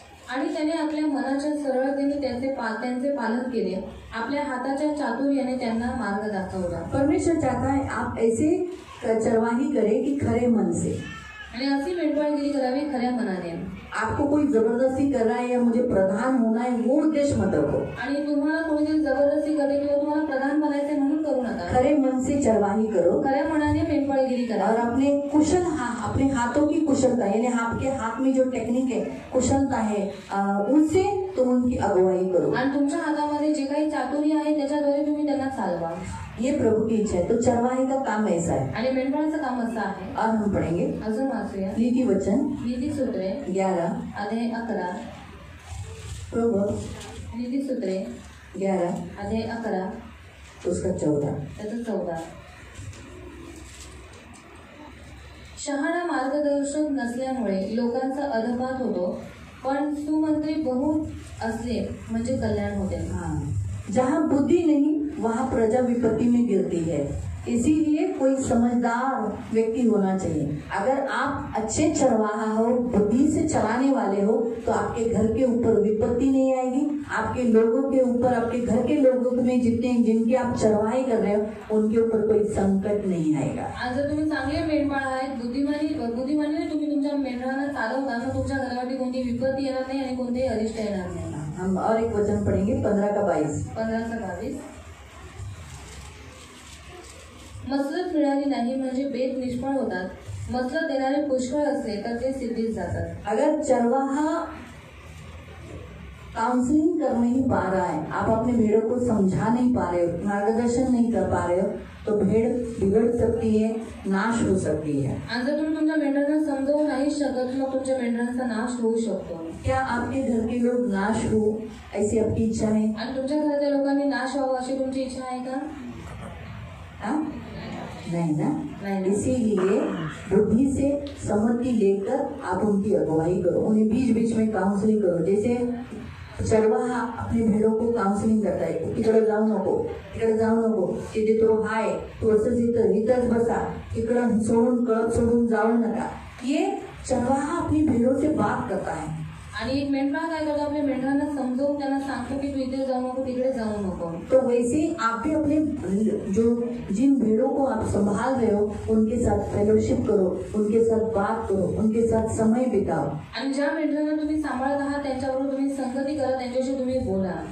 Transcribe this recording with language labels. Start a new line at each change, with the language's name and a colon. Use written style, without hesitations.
Marathi: आणि त्याने आपल्या मनाच्या सरळतेने त्यांचे पालन केले, आपल्या हाताच्या चातुर्याने त्यांना मार्ग दाखवला।
Hindi: परमेश्वर चाहता है आप ऐसे चरवाही करे की खरे मन से,
Marathi: आणि अशी मेंढपाळगिरी करावी खऱ्या मनाने।
Hindi: आपको कोई जबरदस्ती कर रहा है या मुझे प्रधान होना है वो उद्देश्य मत रखो,
Marathi: आणि तुम्हाला कोणीतरी जबरदस्ती करते किंवा तुम्हाला प्रधान बनायचे म्हणून करू नका।
Hindi: खरे मन से चरवाही करो,
Marathi: खऱ्या मनाने मेंढपाळगिरी करा,
Hindi: और अपने कुशल अपने हाथों की कुशलता, यानी आपके हाथ में जो टेक्निक है कुशलता है उनसे तुम उनकी अगुवाई करो,
Marathi: आणि तुमच्या हातामध्ये जे काही चातुर्य आहे त्याच्याद्वारे तुम्ही त्यांना चालवा,
Hindi: ये प्रभु की इच्छा है। तो चरवाही का काम ऐसा है,
Marathi: अरे मेंढपाळाचं काम असं आहे।
Hindi: और हम पढ़ेंगे
Marathi: अजून वाचूया
Hindi: नीति वचन,
Marathi: नीति सूत्रे
Hindi: 11
Marathi: अध्याय 11
Hindi: प्रभु,
Marathi: नीति सूत्रे
Hindi: 11
Marathi: अध्याय 11
Hindi: उसका 14
Marathi: त्याचं 14 शहाणा मार्गदर्शक नसल्यामुळे लोकांचा अधपात होतो, पण सुमंत्री बहुत असले म्हणजे कल्याण होते.
Hindi: जहां बुद्धि नहीं वहां प्रजा विपत्ति में गिरती है, इसीलिए कोई समझदार व्यक्ति होना चाहिए. अगर आप अच्छे चरवाहा हो, बुद्धि से चलाने वाले हो, तो आपके घर के ऊपर विपत्ति नहीं आएगी. आपके लोगों के ऊपर, आपके घर के लोगों में जितने जिनके आप चरवाहे कर रहे हो, उनके ऊपर कोई संकट नहीं आएगा.
Marathi: आज जर तुम्ही चांगले मेंढपाळ आहात, बुद्धिमानी तुम्ही तुमच्या मेंढरांना चालवता, तर तुमच्या घरासाठी कोणती विपत्ती येणार नाही आणि कोणतेही अरिष्ट येणार नाही.
Hindi: हम और एक वचन पढ़ेंगे, 15:22.
Marathi: 15:22 मसलत मिळाली नाही म्हणजे बेत निष्फळ होतात, मसलत देणारे पुष्कळ असले तर ते सिद्धीस जातात.
Hindi: अगर चरवाहा काउंसलिंग कर नहीं पा रहा है, आप अपने भेड़ों को समझा नहीं पा रहे हो, मार्गदर्शन नहीं कर पा रहे हो, तो भेड़ बिगड़ सकती है, नाश हो सकती है.
Marathi: अगर तुम तुमच्या मेंढरांना समजवू नाही शकत, मग तुमच्या मेंढरांचा नाश होऊ शकतो.
Hindi: क्या आपके घर के लोग नाश हो, ऐसी आपकी इच्छा है?
Marathi: आणि तुमच्या घरातल्या लोकांनी नाश व्हावं अशी तुमची इच्छा आहे का?
Hindi: नहीं ना, इसीलिए बुद्धि से सम्मति लेकर आप उनकी अगुवाई करो, उन्हें बीच बीच में काउंसलिंग करो. जैसे चरवाहा अपने भेड़ों को काउंसलिंग करता है,
Marathi: इकड़े जाऊ नको, इकड़े जाऊ नको, तिथे तो हाय, तू असं जिथं इथंच बसा, इकडं सोडून कळत सोडून जाऊ नका.
Hindi: ये चरवाहा अपनी भेड़ों से बात करता है.
Marathi: आणि एक मेंढरा काय करतो, आपल्या मेंढरांना समजवून त्यांना सांगतो की तू इथे जाऊ नको, तिकडे जाऊ नको.
Hindi: तो वैसे आप भी अपने जो जिन भेड़ों को आप संभाल रहे हो, उनके साथ फेलोशिप करो, उनके साथ बात करो, उनके साथ समय बिताओ.
Marathi: आणि ज्या मेंढरांना तुम्ही सांभाळत आहात त्यांच्यावर तुम्ही संगती करा, त्यांच्याशी तुम्ही बोला.